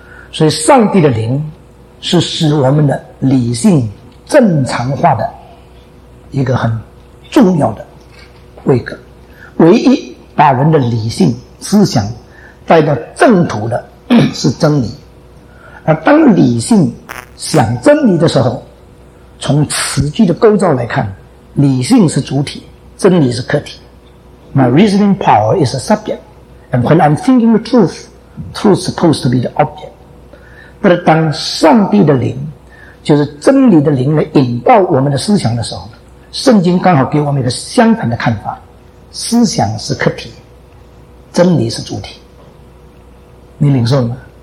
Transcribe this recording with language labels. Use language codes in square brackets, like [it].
[zh] 所以上帝的灵是使我们的理性正常化的一个很重要的位格，唯一把人的理性思想带到正途的是真理。而当理性想真理的时候，从词句的构造来看，理性是主体，真理是客体。 [en] My reasoning power is a subject, and when I'm thinking the truth, truth is supposed to be the object. [zh] 但是当上帝的灵，就是真理的灵来引爆我们的思想的时候，圣经刚好给我们一个相反的看法，思想是客体，真理是主体。你领受吗？